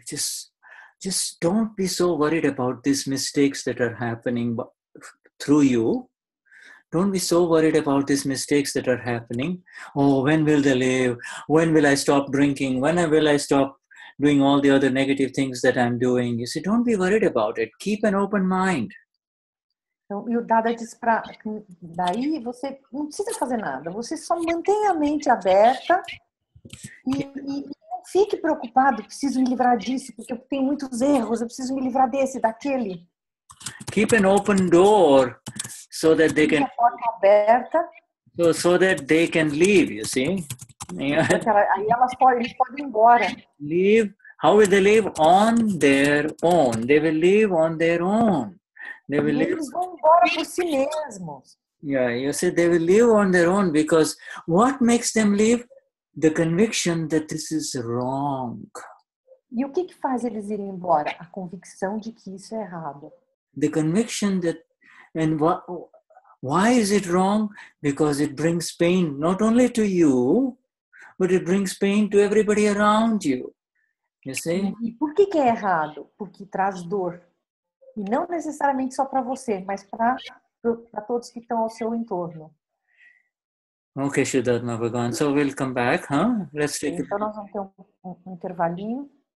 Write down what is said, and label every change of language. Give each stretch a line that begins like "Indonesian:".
English: Just don't be so worried about these mistakes that are happening through you. Don't be so worried about these mistakes that are happening. Oh, when will they leave? When will I stop drinking? When will I stop doing all the other negative things that I'm doing? You see, don't be worried about it. Keep an open mind.
Portuguese: Então, e o Dada diz para daí você não precisa fazer nada. Você só mantém a mente aberta E não fique preocupado, preciso me livrar disso, porque eu tenho muitos erros, eu preciso me livrar desse, daquele.
English: Keep an open door so that they can.
Portuguese: A porta aberta.
English: So that they can leave, you see?
Portuguese: Aí elas podem, eles podem ir embora.
English: Leave. How will they live on their own? They will live on their own. They will
Portuguese: eles
English: live.
Portuguese: Vão embora por si mesmos.
English: Yeah, you see, they will live on their own because what makes them live? The conviction that this is wrong.
Portuguese: E o que que faz eles irem embora? A convicção de que isso é errado.
English: The conviction that, and why is it wrong? Because it brings pain not only to you, but it brings pain to everybody around you. You see?
Portuguese: E por que que é errado? Porque traz dor. E não necessariamente só para você, mas para todos que estão ao seu entorno.
English: Ok, Siddhartha Bhagavan. So we'll come back, huh? Let's take
Portuguese: então nós vamos ter um intervalinho.